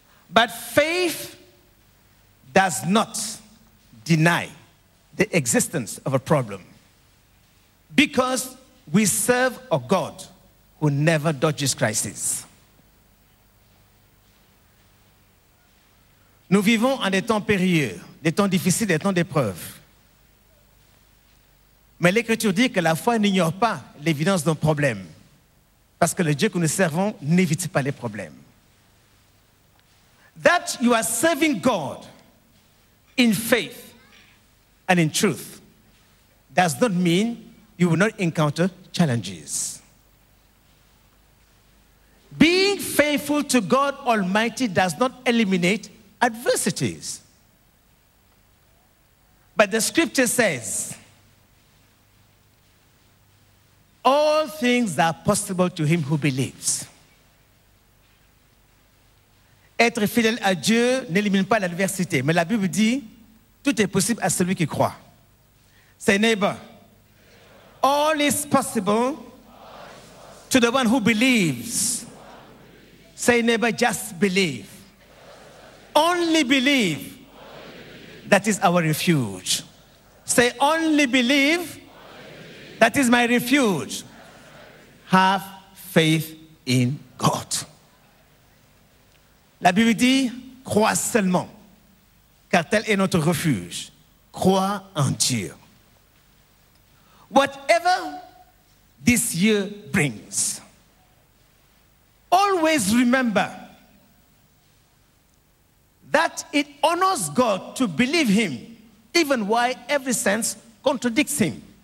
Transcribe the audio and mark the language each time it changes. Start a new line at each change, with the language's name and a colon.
English: But faith does not deny the existence of a problem, because we serve a God who never dodges crises.
French: Nous vivons en des temps périlleux, des temps difficiles, des temps d'épreuves. Mais l'Écriture dit que la foi n'ignore pas l'évidence d'un problème, parce que le Dieu que nous servons n'évite pas les problèmes.
English: That you are serving God in faith and in truth does not mean you will not encounter challenges. Being faithful to God Almighty does not eliminate adversities. But the Scripture says, all things are possible to him who believes.
French: Être fidèle à Dieu n'élimine pas l'adversité, mais la Bible dit, tout est possible à celui qui croit.
English: Say, neighbor, all is possible to the one who believes. Say, neighbor, just believe. Only believe. That is our refuge. Say, only believe. That is my refuge. Have faith in God.
French: La Bible dit, crois seulement, car tel est notre refuge. Crois en Dieu.
English: Whatever this year brings, always remember that it honors God to believe him, even while every sense contradicts him.